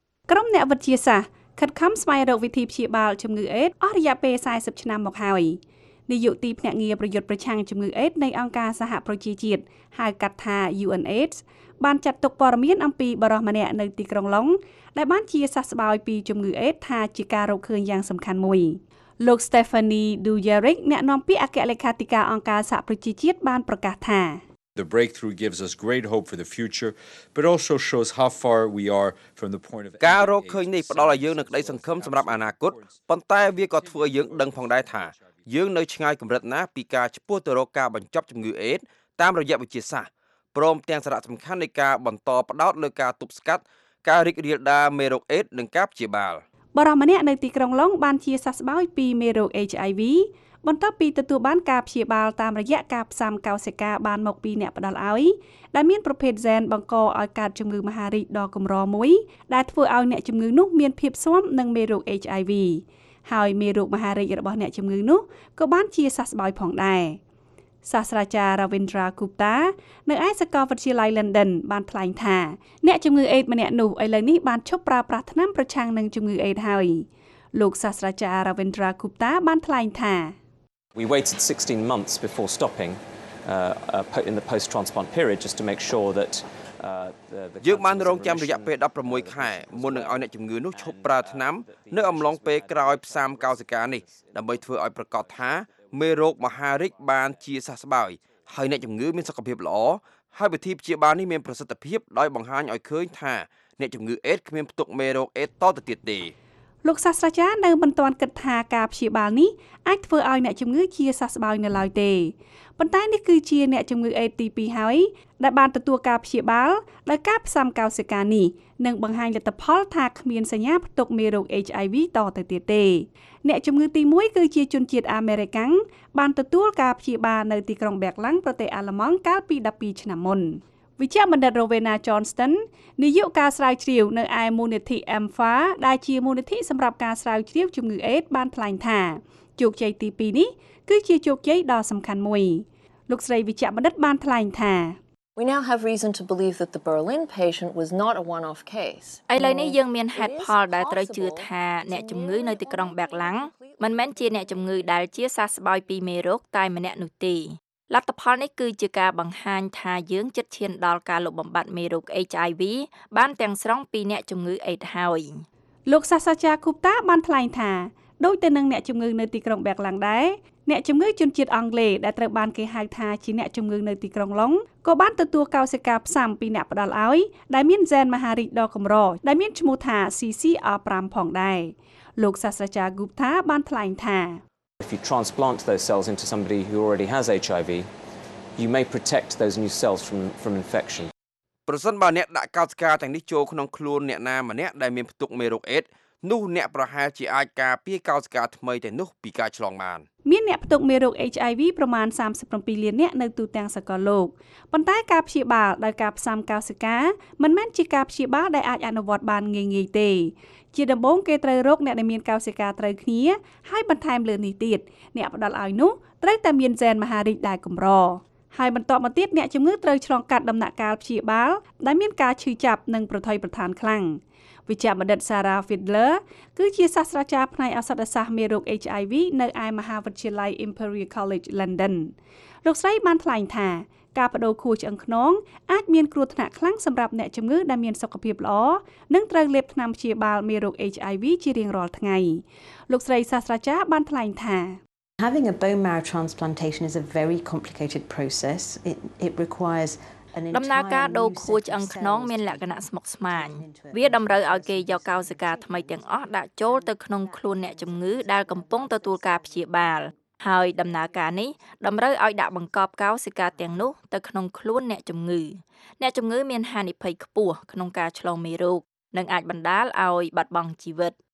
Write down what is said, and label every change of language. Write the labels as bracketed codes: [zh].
[km] ក្រុមអ្នកវិទ្យាសាស្ត្រខិតខំស្វែងរកវិធីព្យាបាលជំងឺអេដអស់រយៈពេល40ឆ្នាំមកហើយនាយកទីភ្នាក់ងារប្រយុទ្ធប្រឆាំងជំងឺអេដនៃអង្គការសហប្រជាជាតិហៅកាត់ថា UNAIDS បានចាត់ទុកព័ត៌មានអំពីបរិសុទ្ធម្នាក់នៅទីក្រុងឡុងដែលបានជាសះស្បើយពីជំងឺអេដថាជាការរកឃើញយ៉ាងសំខាន់មួយលោក Stephanie Dujarric អ្នកនាំពាក្យអគ្គលេខាធិការអង្គការសហប្រជាជាតិបានប្រកាសថា [en] The breakthrough gives us great hope for the future but also shows how far we are from the point of [km] ការរកឃើញនេះផ្ដល់ឲ្យយើងនូវក្តីសង្ឃឹមសម្រាប់អនាគតប៉ុន្តែវាក៏ធ្វើឲ្យយើងដឹងផងដែរថាយើងនៅឆ្ងាយកម្រិតណាពីការឈពោះទៅរកការបញ្ចប់ជំងឺអេដតាមរយៈវិទ្យាសាស្ត្រព្រមទាំងសារៈសំខាន់នៃការបន្តផ្ដោតលើការទប់ស្កាត់ការរីករាលដាលមេរោគអេដនិងការព្យាបាល បរិមាណនៅទីក្រុងឡុងបានជាសះស្បើយពីមេរោគ HIV បន្ទាប់ពីទទួលបានការព្យាបាលតាមរយៈការផ្សាំកោសិកាបានមកពីអ្នកផ្ដល់ឲ្យដែលមានប្រភេទហ្សែនបង្កឲ្យកើតជំងឺមហារីកដ៏កម្រមួយដែលធ្វើឲ្យអ្នកជំងឺនោះមានភាពស្វាមនឹងមេរោគ HIV ហើយមេរោគមហារីករបស់អ្នកជំងឺនោះក៏បានជាសះស្បើយផងដែរ សាស្ត្រាចារ្យ Ravindra Gupta នៅឯសាកលវិទ្យាល័យ London បានថ្លែងថាអ្នកជំងឺអេដម្នាក់នោះឥឡូវនេះបានឈប់ប្រើប្រាស់ថ្នាំប្រឆាំងនឹងជំងឺអេដហើយលោកសាស្ត្រាចារ្យ Ravindra Gupta បានថ្លែងថា [en] We waited 16 months before stopping in the post-transplant period just to make sure that [km] យើងបានរងចាំរយៈពេល16ខែមុននឹងឲ្យអ្នកជំងឺនោះឈប់ប្រើថ្នាំនៅអំឡុងពេលក្រោយផ្សាំកោសិកានេះដើម្បីធ្វើឲ្យប្រកាសថាមេរោគមហារីកបានជាសះស្បើយហើយអ្នកជំងឺមានសុខភាពល្អហើយវិធីព្យាបាលនេះមានប្រសិទ្ធភាពដោយបង្ហាញឲ្យឃើញថាអ្នកជំងឺអេដគ្មានផ្ទុកមេរោគអេដតទៅទៀតទេ លោកសាស្ត្រាចារ្យនៅមិនទាន់គិតថាការព្យាបាលនេះអាចធ្វើឲ្យអ្នកជំងឺជាសះស្បើយនៅឡើយទេប៉ុន្តែនេះគឺជាអ្នកជំងឺអេដទី2ហើយដែលបានទទួលការព្យាបាលដោយការផ្សាំកោសិកានេះនឹងបង្ហាញលទ្ធផលថាគ្មានសញ្ញាផ្ទុកមេរោគ HIV តទៅទៀតទេ អ្នកជំងឺទី1គឺជាជនជាតិអាមេរិកាំងបានទទួលការព្យាបាលនៅទីក្រុងបែកឡាំងប្រទេសអាល្លឺម៉ង់កាលពី12ឆ្នាំមុនវិជ្ជាបណ្ឌិត Rowena Johnston នាយកការស្រាវជ្រាវនៅឯមូលនិធិ MFA ដែលជាមូលនិធិសម្រាប់ការស្រាវជ្រាវជំងឺអេដបានថ្លែងថាជោគជ័យទី2នេះគឺជាជោគជ័យដ៏សំខាន់មួយលោកស្រីវិជ្ជាបណ្ឌិតបានថ្លែងថា [en] We now have reason to believe that the Berlin patient was not a one-off case. [km] ឥឡូវនេះយើងមានហេតុផលដែលត្រូវជឿថាអ្នកជំងឺនៅទីក្រុងបែកឡាំងមិនមែនជាអ្នកជំងឺដែលជាសះស្បើយពីមេរោគតែម្នាក់នោះទេលទ្ធផលនេះគឺជាការបង្ហាញថាយើងជិតឈានដល់ការលុបបំបាត់មេរោគ HIV បានទាំងស្រុងពីអ្នកជំងឺអេដហើយ លោកសាស្ត្រាចារ្យគូបតាបានថ្លែងថាដូចទៅនឹងអ្នកជំងឺនៅទីក្រុងបែកឡាំងដែរអ្នកជំងឺជនជាតិអង់គ្លេសដែលត្រូវបានគេហៅថាជាអ្នកជំងឺនៅទីក្រុងឡុងក៏បានទទួលកោសិកាផ្សាំពីអ្នកផ្ដល់ឲ្យដែលមានហ្សែនមហារីកដ៏កម្រដែលមានឈ្មោះថា CCR5 ផងដែរលោកសាស្ត្រាចារ្យគូបតាបានថ្លែងថា [en] If you transplant those cells into somebody who already has HIV, you may protect those new cells from infection. [km] ប្រសិនបើអ្នកដាក់កោសិកាទាំងនេះចូលក្នុងខ្លួនអ្នកណាម្នាក់ដែលមានផ្ទុកមេរោគអេដនោះអ្នកប្រហែលជាអាចការពារកោសិកាថ្មីទាំងនោះពីការឆ្លងបាន មានអ្នកផ្ទុកមេរោគ HIV ប្រមាណ37លាននាក់នៅទូទាំងសកលលោកប៉ុន្តែការព្យាបាលដោយការផ្សាំកោសិកាមិនមែនជាការព្យាបាលដែលអាចអនុវត្តបានងាយៗទេជាដំបូងគេត្រូវរកអ្នកដែលមានកោសិកាត្រូវគ្នាហើយបន្ថែមលើនេះទៀតអ្នកផ្ដល់ឲ្យនោះត្រូវតែមានហ្សែនមហារីកដែលកម្រ ហើយបន្តមកទៀតអ្នកជំងឺត្រូវឆ្លងកាត់ដំណាក់កាលព្យាបាលដែលមានការឈឺចាប់និងប្រថុយប្រថានខ្លាំងវិជ្ជាបណ្ឌិត Sarah Fiedler គឺជាសាស្ត្រាចារ្យផ្នែកអសតសាស្ត្រមេរោគ HIV នៅឯមហាវិទ្យាល័យ Imperial College London លោកស្រីបានថ្លែងថាការបដូរខួរឆ្អឹងខ្នងអាចមានគ្រោះថ្នាក់ខ្លាំងសម្រាប់អ្នកជំងឺដែលមានសុខភាពល្អនិងត្រូវលេបថ្នាំព្យាបាលមេរោគ HIV ជារៀងរាល់ថ្ងៃលោកស្រីសាស្ត្រាចារ្យបានថ្លែងថា [en] Having a bone marrow transplantation is a very complicated process it requires [km] ដំណើរការដូរខួរឆ្អឹងខ្នងមានលក្ខណៈស្មុគស្មាញវាតម្រូវឲ្យគេយកកោសិកាថ្មីទាំងអស់ដាក់ចូលទៅក្នុងខ្លួនអ្នកជំងឺដែលកំពុងទទួលការព្យាបាលហើយដំណើរការនេះតម្រូវឲ្យដាក់បង្កប់កោសិកាទាំងនោះទៅក្នុងខ្លួនអ្នកជំងឺអ្នកជំងឺមានហានិភ័យខ្ពស់ក្នុងការឆ្លងមេរោគនិងអាចបណ្តាលឲ្យបាត់បង់ជីវិត